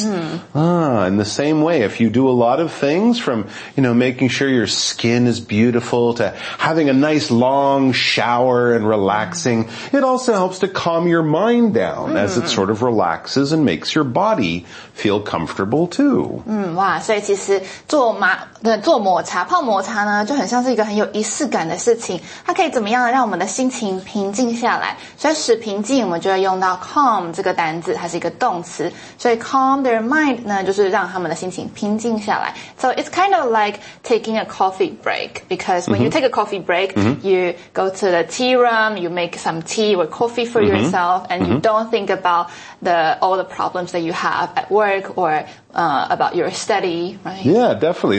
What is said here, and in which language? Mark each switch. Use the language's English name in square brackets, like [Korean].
[English] Mm. In the same way, if you do a lot of things from, you know, making sure your skin is beautiful to having a nice long shower and relaxing, it also helps to calm your mind down as it sort of relaxes and makes your body feel comfortable too. [Chinese] 哇，所以其实做抹茶泡抹茶呢就很像是一个很有仪式感的事情，它可以怎么样让我们的心情平静下来，所以使平静我们就会用到 calm 这个单字，它是一个动词，所以 [English] calm their mind [Chinese] 呢就是让他们的心情平静下来。 [English] So it's kind of like taking a coffee break, because when you take a coffee break, you go to the tea room, you make some tea or coffee for yourself, and you don't think about all the problems that you have at work or about your study, right? Yeah, definitely.